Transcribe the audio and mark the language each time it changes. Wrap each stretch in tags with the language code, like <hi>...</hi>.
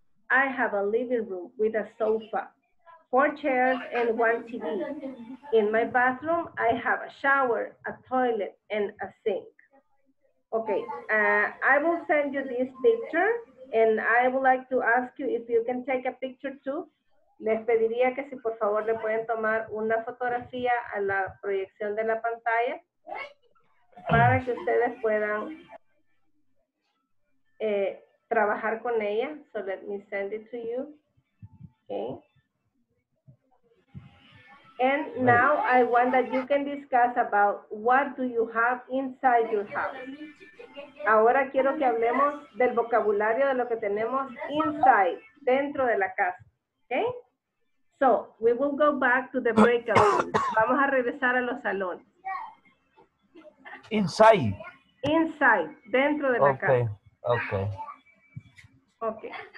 <en>I have a living room with a sofa, four chairs and one TV. In my bathroom, I have a shower, a toilet, and a sink. Okay, I will send you this picture, and I would like to ask you if you can take a picture too.</en> <es>Les pediría que si por favor le pueden tomar una fotografía a la proyección de la pantalla. Para que ustedes puedan trabajar con ella.</es> <en>So let me send it to you. Okay. And now I want that you can discuss about what do you have inside your house.</en> <es>Ahora quiero que hablemos del vocabulario de lo que tenemos inside, dentro de la casa.</es> <en>Okay. So we will go back to the breakout room.</en> <es>Vamos a regresar a los salones.</es> <en>Inside.</en> <es>Inside, dentro de la casa.</es> <en>Okay, okay. Okay.</en>